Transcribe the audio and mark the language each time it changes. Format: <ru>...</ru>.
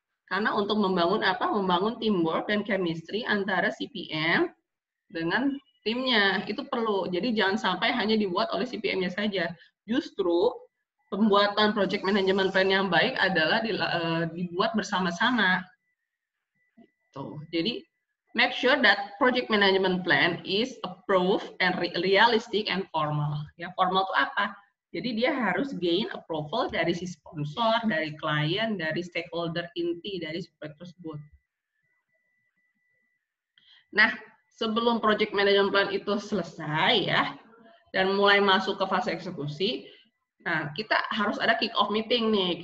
<id>Karena untuk membangun apa? Membangun teamwork dan chemistry antara CPM dengan timnya itu perlu. Jadi jangan sampai hanya dibuat oleh CPM-nya saja. Justru pembuatan project management plan yang baik adalah dibuat bersama-sama. Gitu.</id> <en>Jadi make sure that project management plan is approved and realistic and formal.</en> <id>Ya, formal itu apa? Jadi dia harus gain approval dari si sponsor, dari klien, dari stakeholder inti dari proyek tersebut. Nah, sebelum project management plan itu selesai ya dan mulai masuk ke fase eksekusi, nah kita harus ada kick off meeting nih.</id>